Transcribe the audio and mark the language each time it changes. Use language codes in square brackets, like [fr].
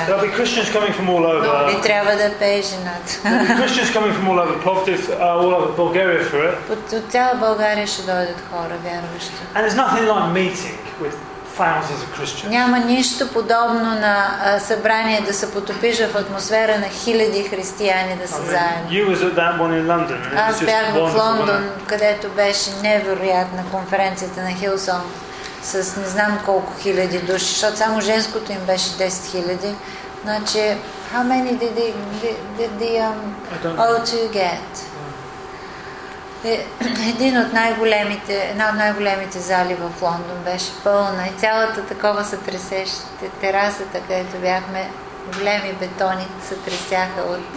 [en] There'll be Christians coming from all over. [bg] И трябва да пее жената. [en] Christians coming from all over Plovdiv, all over Bulgaria for it. [bg] От цяла България ще дойдат хора, вярващи. [en] And there's nothing like meeting with thousands of Christians. [bg] Няма нищо подобно на събрание да се потопиш в атмосфера на хиляди християни да се заедно. [en] You was at that one in London. [bg] Аз бях в Лондон, където беше невероятна конференцията на Hillsong. С не знам колко хиляди души, защото само женското им беше 10 хиляди. Значи, [en] how many did they all get? [bg] Една от най-големите зали в Лондон беше пълна и цялата такова сътресеща терасата, където бяхме, големи бетони сътресяха от...